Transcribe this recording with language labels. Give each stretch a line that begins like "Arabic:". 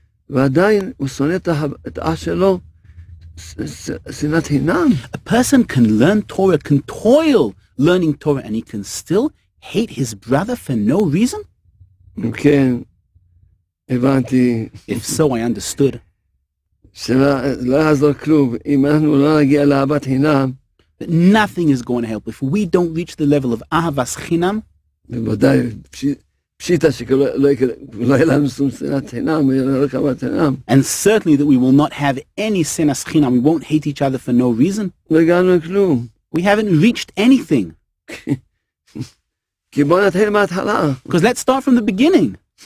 Hebrew: ועדיין הוא שונא את האח שלו, שנאת חינם.
English: A person can learn Torah, can toil learning Torah, and he can still hate his brother for no reason?
Hebrew: כן, הבנתי.
English: If so, I understood.
Hebrew: שלא יעזור כלום, אם אנחנו לא נגיע לאהבת חינם.
English: But nothing is going to help if we don't reach the level of אהבת חינם.
Hebrew: בוודאי, שיטה שלא יהיה לנו שום שנאת חינם, יהיה רק אהבת חינם.
English: And certainly that we will not have any שנאת חינם, we won't hate each other for no reason.
Hebrew: לא הגענו כלום.
English: We haven't reached anything.
Hebrew: כי בוא נתחיל מההתחלה. Because let's start from the beginning.